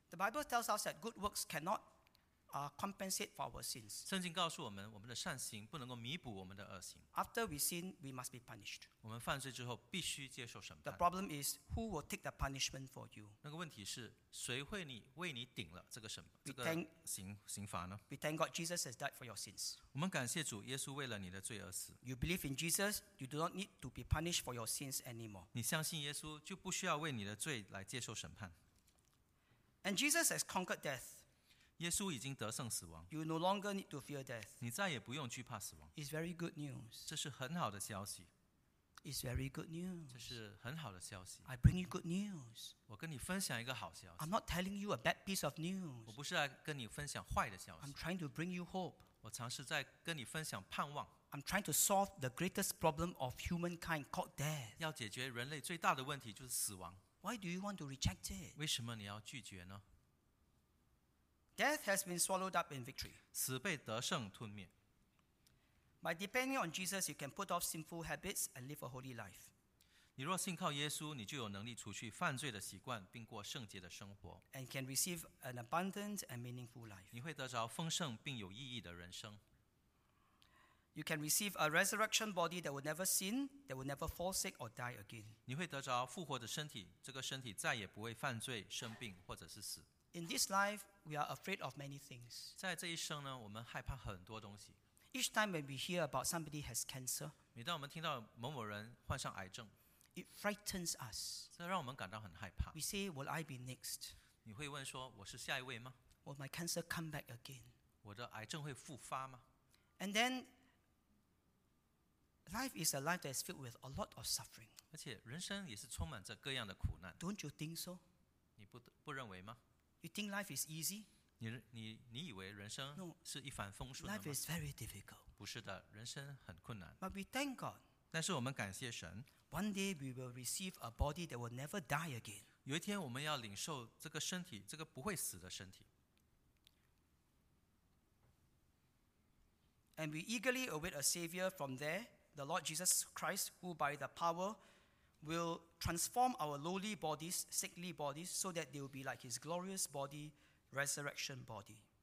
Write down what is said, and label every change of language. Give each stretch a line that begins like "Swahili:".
English: the Bible tells us that good works cannot compensate for our sins.
Chinese: 圣经告诉我们，我们的善行不能够弥补我们的恶行。
English: After we sin, we must be punished.
Chinese: 我们犯罪之后必须接受审判。
English: The problem is, who will take the punishment for you?
Chinese: 那个问题是，谁会为你顶了这个刑罚呢？
English: We thank God Jesus has died for your sins.
Chinese: 我们感谢主耶稣为了你的罪而死。
English: You believe in Jesus, you do not need to be punished for your sins anymore.
Chinese: 你相信耶稣，就不需要为你的罪来接受审判。
English: And Jesus has conquered death.
Chinese: 耶稣已经得胜死亡。
English: You no longer need to fear death.
Chinese: 你再也不用惧怕死亡。
English: It's very good news.
Chinese: 这是很好的消息。
English: It's very good news.
Chinese: 这是很好的消息。
English: I bring you good news.
Chinese: 我跟你分享一个好消息。
English: I'm not telling you a bad piece of news.
Chinese: 我不是来跟你分享坏的消息。
English: I'm trying to bring you hope.
Chinese: 我尝试在跟你分享盼望。
English: I'm trying to solve the greatest problem of humankind called death.
Chinese: 要解决人类最大的问题就是死亡。
English: Why do you want to reject it?
Chinese: 为什么你要拒绝呢？
English: Death has been swallowed up in victory.
Chinese: 死被得胜吞灭。
English: By depending on Jesus, you can put off sinful habits and live a holy life.
Chinese: 你若信靠耶稣, 你就有能力除去犯罪的习惯, 并过圣洁的生活。
English: And can receive an abundant and meaningful life.
Chinese: 你会得着丰盛并有意义的人生。
English: You can receive a resurrection body that will never sin, that will never fall sick or die again.
Chinese: 你会得着复活的身体, 这个身体再也不会犯罪、生病或者是死。
English: In this life, we are afraid of many things.
Chinese: 在这一生呢, 我们害怕很多东西。
English: Each time when we hear about somebody has cancer,
Chinese: 每当我们听到某某人患上癌症,
English: it frightens us.
Chinese: 这让我们感到很害怕。
English: We say, will I be next?
Chinese: 你会问说, 我是下一位吗?
English: Will my cancer come back again?
Chinese: 我的癌症会复发吗?
English: And then, life is a life that is filled with a lot of suffering.
Chinese: 而且人生也是充满着各样的苦难。
English: Don't you think so?
Chinese: 你不认为吗?
English: You think life is easy?
Chinese: 你以为人生是一帆风顺的吗?
English: No, life is very difficult.
Chinese: 不是的,人生很困难。
English: But we thank God.
Chinese: 但是我们感谢神。
English: One day we will receive a body that will never die again.
Chinese: 有一天我们要领受这个身体,这个不会死的身体。
English: And we eagerly await a savior from there, the Lord Jesus Christ, who by the power will transform our lowly bodies, sickly bodies, so that they will be like his glorious body, resurrection body.